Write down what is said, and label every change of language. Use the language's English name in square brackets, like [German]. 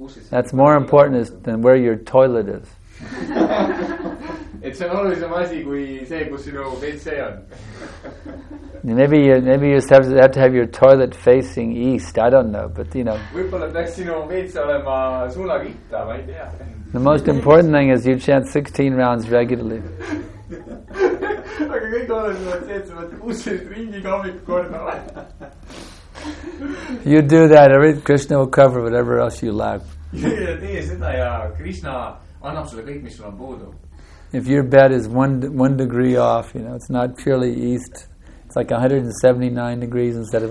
[English] That's more important than where your toilet is. It's an [Estonian] olulisem asi kui see, kus sinu WC on. [English] Maybe you have to have your toilet facing east. I don't know, but you know. [Estonian] Võib-olla peaks sinu WC olema suunaga itta, ma ei tea. [English] The most important thing is you chant 16 rounds regularly. You do that, Krishna will cover whatever else you lack. If your bed is one degree off, you know, it's not purely east, it's like 179 degrees instead of